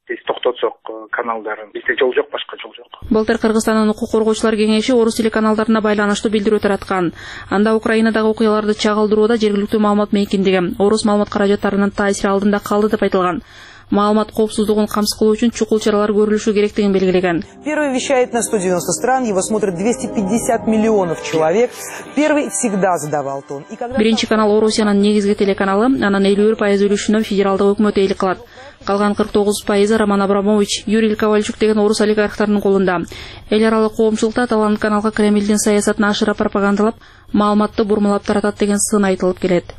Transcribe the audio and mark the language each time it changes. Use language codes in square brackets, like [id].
[ky] Биз токтотсок каналдарын, бизде жол жок, башка жол жок. Былтыр Кыргызстандын укук коргоочулар кеңеши орус телеканалдарына байланыштуу билдирүү тараткан. Анда Украинадагы окуяларды чагылдырууда жергиликтүү маалымат мейкиндиги орус маалымат каражаттарынын таасири алдында калды деп айтылган. Маалымат коопсуздугун камсыз кылуу үчүн чукул чаралар көрүлүшү керектигин белгилеген. [ru] Первый вещает на 190 стран, его смотрят 250 миллионов человек. Первый всегда задавал тон. [ky] Биринчи канал Орусиянын негизги телеканалы, анан 51% үлүшүнө федералдык өкмөт ээлик кылат. Калган 49% Роман Абрамович, Юрий Ковальчук деген орус олигархтарынын колунда. Эл аралык коомчулукта аталган каналга Кремлдин саясатын ашыра пропагандалап, маалыматты бурмалап таратат деген сын айтылып келет.